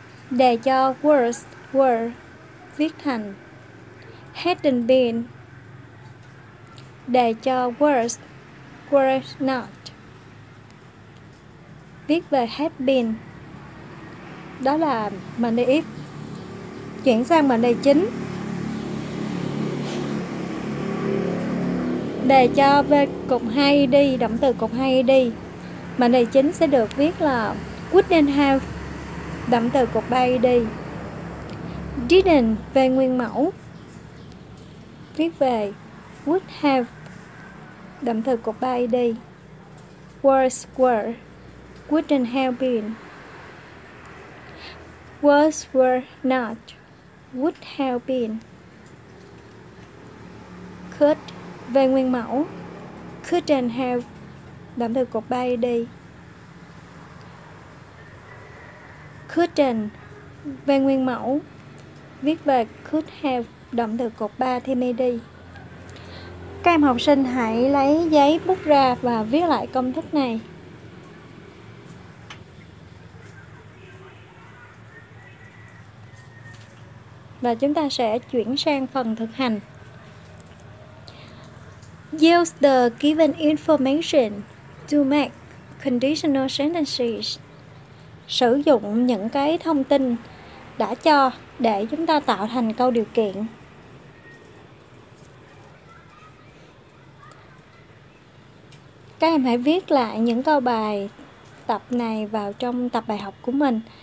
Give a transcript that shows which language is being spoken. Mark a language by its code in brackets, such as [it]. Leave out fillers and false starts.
[vi] Đề cho was were viết thành [en] hadn't been. [vi] Đề cho was were not viết về [en] had been. [vi] Đó là mệnh đề if. Chuyển sang mệnh đề chính. Đề cho V cộng 2 ED, động từ cộng 2 ED. Mệnh đề chính sẽ được viết là [en] wouldn't have, [vi] động từ cộng 3 ED. Didn't, V nguyên mẫu, viết về [en] would have, [vi] động từ cộng 3 ED. [en] Was were, wouldn't have been. Was were not, would have been. [vi] Could, về nguyên mẫu, [en] couldn't have, [vi] động từ cộng 3 ED. Couldn't, về nguyên mẫu, viết về [en] could have, [vi] động từ cộng 3 thêm ED. Các em học sinh hãy lấy giấy bút ra và viết lại công thức này. Và chúng ta sẽ chuyển sang phần thực hành. [en] Use the given information to make conditional sentences. [vi] Sử dụng những cái thông tin đã cho để chúng ta tạo thành câu điều kiện. Các em hãy viết lại những câu bài tập này vào trong tập bài học của mình.